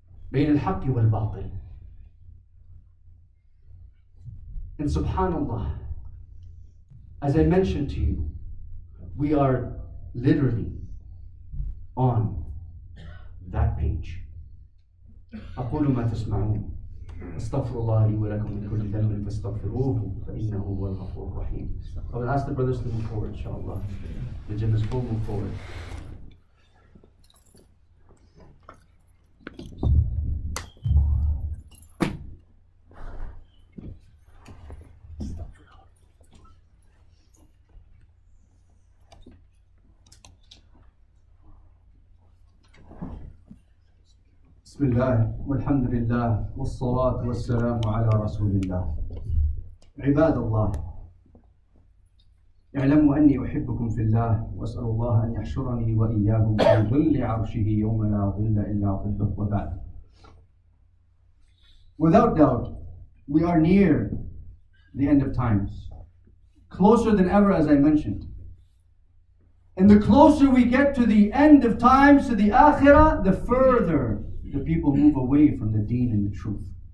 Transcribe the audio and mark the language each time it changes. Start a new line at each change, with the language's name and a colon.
Arabic: Bain al-Haqq wal-Batil.
English: And subhanAllah, as I mentioned to you, we are literally on that page.
Arabic: أقول ما تسمعون استغفر الله لي ولكم من كل ذنب فاستغفروه فإنه هو الغفور الرحيم.
English: I will ask the brothers to move forward, inshallah. The jinnahs will move forward.
Arabic: بسم الله والحمد لله والصلاة والسلام على رسول الله عباد الله اعلموا أني أحبكم في الله وأسأل الله أن يحشرني وإياكم في ظل عرشه يوم لا ظل إلا ظله وبعد.
English: Without doubt, we are near the end of times, closer than ever, as I mentioned. And the closer we get to the end of times, to the Akhirah, the further the people move away from the deen and the truth.